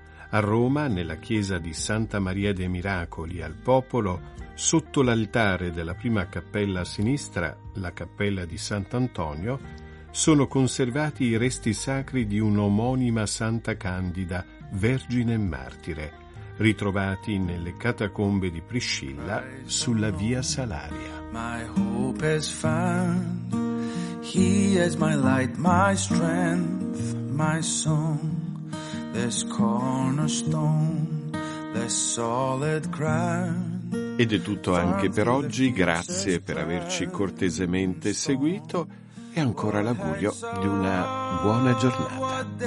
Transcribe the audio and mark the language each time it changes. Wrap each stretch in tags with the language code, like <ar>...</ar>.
<it>A Roma, nella Chiesa di Santa Maria dei Miracoli al Popolo, sotto l'altare della prima cappella a sinistra, la cappella di Sant'Antonio, sono conservati i resti sacri di un'omonima Santa Candida, vergine e martire, ritrovati nelle catacombe di Priscilla sulla via Salaria.</it> <en>My hope is found. He is my light, my strength, my song. This cornerstone, this solid ground.</en> <it>Ed è tutto anche per oggi. Grazie per averci cortesemente seguito e ancora l'augurio di una buona giornata.</it>